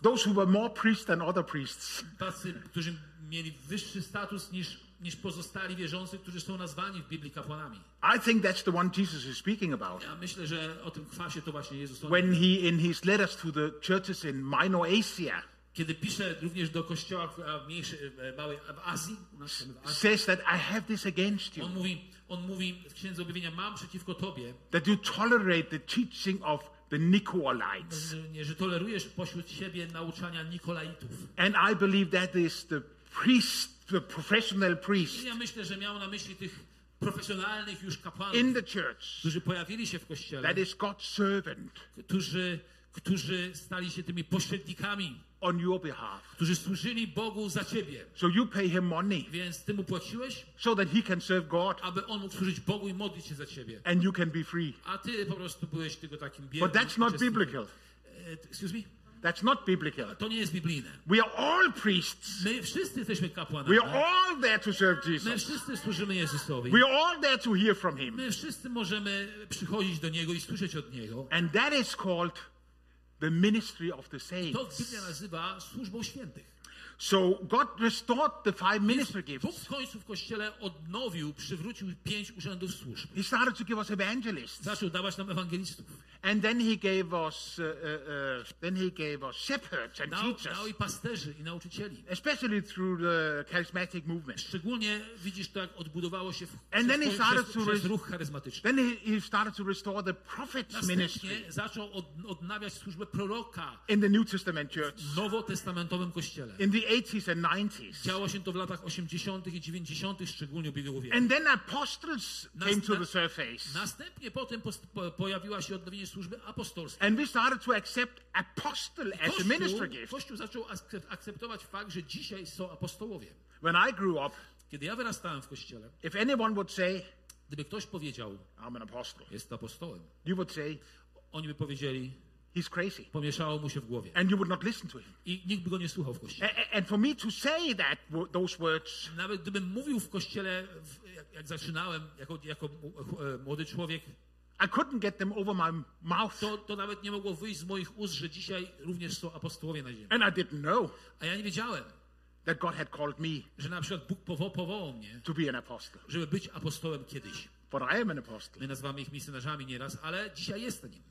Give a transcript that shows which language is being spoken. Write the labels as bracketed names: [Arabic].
[English] Those who were more priests than other priests. [Polish] Tacy, którzy mieli wyższy status niż pozostali wierzący, którzy są nazwani w Biblii kapłanami. [English] I think that's the one Jesus is speaking about. [Polish] Ja myślę, że o tym kwasie to właśnie Jezus. [English] When he in his letters to the churches in Minor Asia. [Polish] Kiedy pisze również do kościoła w mniejszej, małej w Azji, [English] says that I have this against you. [Polish] On mówi w Księdze Objawienia, mam przeciwko tobie. [English] That you tolerate the teaching of the Nicolaites. [Polish] Nie, że tolerujesz pośród siebie nauczania Nikolaitów. [English] And I believe that is the priest, the professional priest. [Polish] I ja myślę, że miał na myśli tych profesjonalnych już kapłanów. [English] In the church. [Polish] Którzy pojawili się w kościele. [English] That is God's servant. [Polish] Którzy stali się tymi pośrednikami. [English] On your behalf. [Polish] Którzy służyli Bogu za ciebie. [English] So you pay him money. [Polish] Więc ty mu płaciłeś? [English] So that he can serve God. [Polish] Aby on mógł służyć Bogu i modlić się za ciebie. [English] And you can be free. [Polish] A ty po prostu byłeś tylko takim biednym. [English] But that's not biblical. Excuse me? That's not biblical. [Polish] To nie jest biblijne. [English] We are all priests. [Polish] My wszyscy jesteśmy kapłanami. [English] We are all there to serve Jesus. [Polish] My wszyscy służymy Jezusowi. [English] We are all there to hear from him. [Polish] My wszyscy możemy przychodzić do niego i słyszeć od niego. [English] And that is called the ministry of the saints. [Polish] To Biblia nazywa służbą świętych. [English] So God restored the five ministry gifts. [Polish] Bóg w końcu w kościele odnowił, przywrócił pięć urzędów służb. [English] He started to give us evangelists. [Polish] Zaczął dawać nam ewangelistów. [English] And then he gave us shepherds and teachers. [Polish] Dał i pasterzy i nauczycieli. [English] Especially through the charismatic movement. [Polish] Szczególnie widzisz, jak odbudowało się ruch charyzmatyczny. [English] Then he started to restore the prophets ministry. [Polish] Zaczął odnawiać służbę proroka. [English] In the New Testament church. [Polish] W nowotestamentowym kościele. [English] In the 80s and 90s. [Polish] Działo się to w latach 80. i 90. szczególnie ubiegłego wieku. [English] And then apostles came to the surface. [Polish] Następnie potem pojawiła się odnowienie służby apostolskiej. [English] And we started to accept apostle as a ministry gift. [Polish] Kościół zaczął akceptować fakt, że dzisiaj są apostołowie. [English] When I grew up, [Polish] kiedy ja wyrastałem w kościele, [English] if anyone would say, [Polish] gdyby ktoś powiedział, [English] I'm an apostle, [Polish] jest apostołem, [English] you would say, [Polish] oni by powiedzieli, [English] he's crazy. [Polish] Pomieszało mu się w głowie. [English] And you would not listen to him. [Polish] I nikt by go nie słuchał w kościele. [English] And for me to say that those words. [Polish] Nawet gdybym mówił w kościele, jak zaczynałem jako młody człowiek, [English] I couldn't get them over my mouth. [Polish] To nawet nie mogło wyjść z moich ust, że dzisiaj również są apostołowie na ziemi. [English] And I didn't know. [Polish] A ja nie wiedziałem. [English] That God had called me. [Polish] Że na przykład Bóg powołał mnie. [English] To be an apostle. [Polish] Żeby być apostołem kiedyś. [English] But I am an apostle. [Polish] My nazywamy ich misjonarzami nieraz, ale dzisiaj jestem nim.